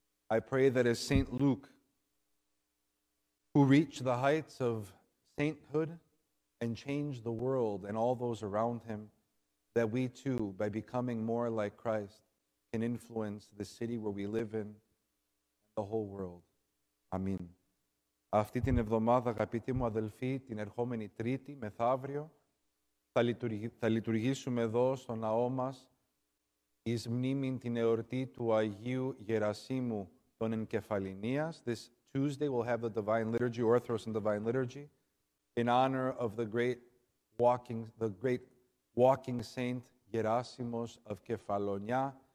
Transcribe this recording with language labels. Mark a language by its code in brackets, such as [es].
[en] I pray that as St. Luke, who reached the heights of sainthood, and change the world and all those around him, that we too, by becoming more like Christ, can influence the city where we live in, the whole world. Amen. [el] Αυτή την εβδομάδα, αγαπητοί μου αδελφοί, την ερχόμενη Τρίτη, μεθαύριο, θα λειτουργήσουμε εδώ στο ναό μας εις μνήμην την εορτή του Αγίου Γερασίμου των Εγκεφαλινίας. [en] This Tuesday we'll have the Divine Liturgy, Orthros and Divine Liturgy, in honor of the great walking saint Gerasimos of Kefalonia,